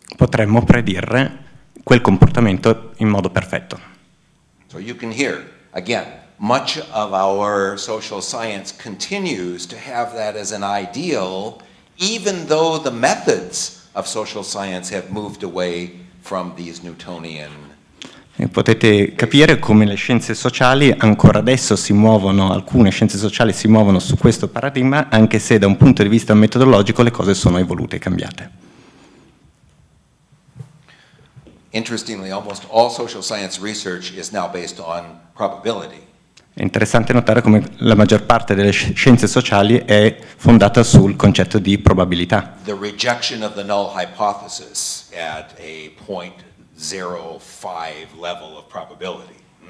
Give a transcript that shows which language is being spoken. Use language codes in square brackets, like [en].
[it] Potremmo predire quel comportamento in modo perfetto. [en] So you can hear, again, much of our social science continues to have that as an ideal, even though the methods of social science have moved away from these Newtonian. [it] E potete capire come le scienze sociali ancora adesso si muovono, alcune scienze sociali si muovono su questo paradigma, anche se da un punto di vista metodologico le cose sono evolute e cambiate. [en] Interestingly, almost all social science research is now based on probability. [it] È interessante notare come la maggior parte delle scienze sociali è fondata sul concetto di probabilità. [en] The rejection of the null hypothesis at a 0.05 level of probability.